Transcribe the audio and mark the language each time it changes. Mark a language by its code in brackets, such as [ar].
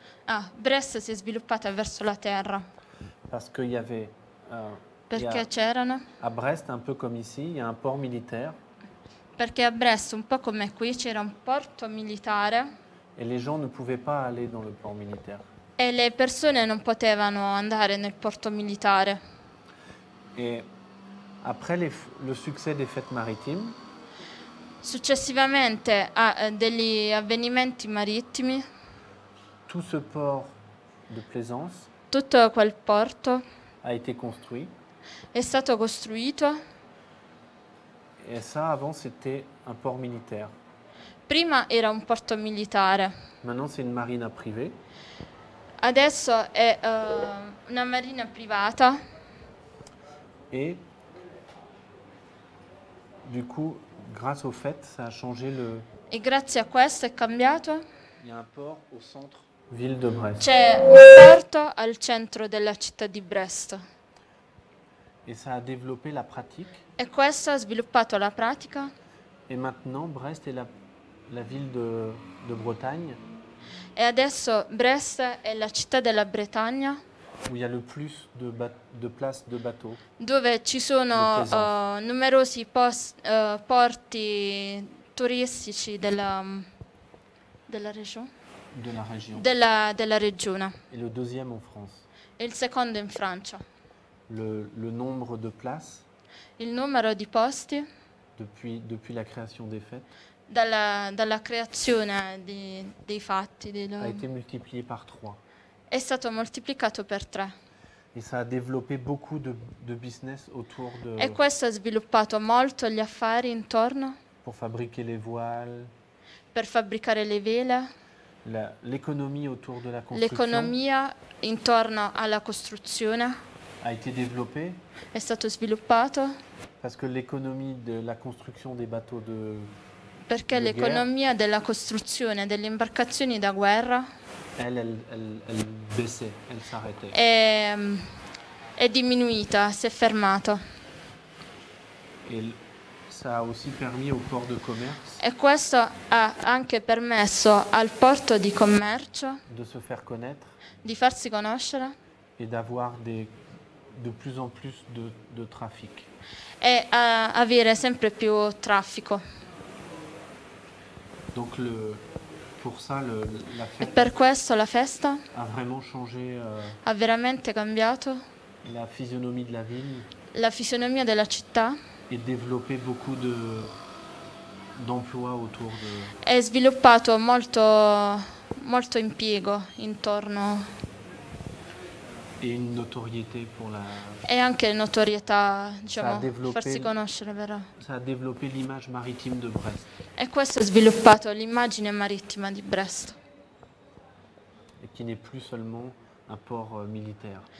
[it] Ah, Brest si è sviluppata verso la terra. [fr] Parce qu'il y avait. [it] Perché c'erano. [fr] A Brest, un peu comme ici, il y a un port militaire. [it] Perché a Brest, un po' come qui, c'era un porto militare. [fr] Et les gens ne pouvaient pas aller dans le port militaire. [it] E le persone non potevano andare nel porto militare. [fr] Et après le succès des fêtes maritimes. [it] Successivamente a degli avvenimenti marittimi. [fr] Tout ce port de plaisance. [it] Tutto quel porto. [fr] A été construit. [it] È stato costruito. [fr] Et ça avant c'était un port militaire. [it] Prima era un porto militare. [fr] Maintenant c'est une marina privée. [it] Adesso è una marina privata. [fr] Et du coup, grâce au fait, ça a changé le. [it] E grazie a questo è cambiato. [fr] Il y a un port au centre ville de Brest. [it] C'è un porto al centro della città di Brest. [fr] Et ça a développé la pratique. [it] E questo ha sviluppato la pratica. [fr] Et maintenant, Brest est la ville de Bretagne. [it] E adesso Brest è la città della Bretagna. [fr] Où il y a le plus de places de bateaux. [it] Dove ci sono numerosi porti turistici della regione. Della regione. Della regione. [fr] Et le deuxième en France. [it] E il secondo in Francia. [fr] Le nombre de places. [it] Il numero di posti. [fr] Depuis la création des fêtes. [it] Dalla creazione dei fatti. [fr] Ha été multiplié par 3. [it] È stato moltiplicato per 3. [fr] Et ça a développé beaucoup de business autour de. [it] E questo ha sviluppato molto gli affari intorno. [fr] Pour fabriquer les voiles. [it] Per fabbricare le vele. L'economia [fr] autour de la construction. [it] L'economia intorno alla costruzione. [fr] A été développé. [it] È stato sviluppato. [fr] Parce que l'économie de la construction des bateaux de. [it] Perché l'economia della costruzione delle imbarcazioni da guerra [fr] elle baissait, elle s'arrêtait. [it] È diminuita, si è fermata. [fr] Ça a aussi permis au port de commerce [it] e questo ha anche permesso al porto di commercio [fr] de se faire connaître [it] di farsi conoscere [fr] e d'avoir de plus en plus de traffic. [it] E avere sempre più traffico. [fr] Donc pour ça la fête. [it] Per questo la festa ha [fr] vraiment changé [it] ha veramente cambiato la fisionomia della [fr] ville. [it] La fisionomia della città. [fr] E développé beaucoup d'emplois autour de. [it] È sviluppato molto impiego intorno. [fr] Et une notoriété pour la. [it] E anche notorietà, diciamo, farsi conoscere, vero? [fr] Ça a développé l'image maritime de Brest. [it] E questo ha sviluppato l'immagine marittima di Brest. [fr] Et qui n'est plus seulement un port militaire.